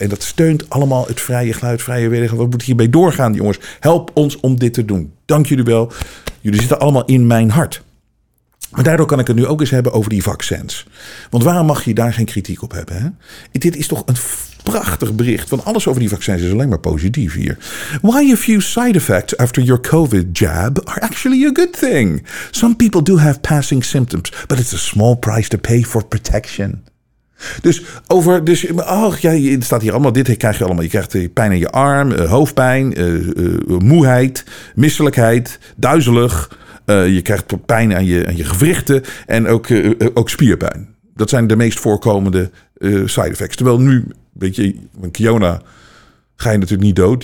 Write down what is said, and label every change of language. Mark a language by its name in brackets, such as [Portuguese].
[Dutch] En dat steunt allemaal het vrije geluid, vrije wegen. We moeten hiermee doorgaan, jongens. Help ons om dit te doen. Dank jullie wel. Jullie zitten allemaal in mijn hart. Maar daardoor kan ik het nu ook eens hebben over die vaccins. Want waarom mag je daar geen kritiek op hebben? Hè? Dit is toch een prachtig bericht. Want alles over die vaccins is alleen maar positief hier. [English] Why a few side effects after your COVID jab are actually a good thing. Some people do have passing symptoms, but it's a small price to pay for protection. [Dutch] Dus oh, ja, het staat hier allemaal, dit krijg je allemaal. Je krijgt pijn in je arm, hoofdpijn, moeheid, misselijkheid, duizelig. Je krijgt pijn aan je gewrichten en ook spierpijn. Dat zijn de meest voorkomende side effects. Terwijl nu, weet je, van Kiona ga je natuurlijk niet dood.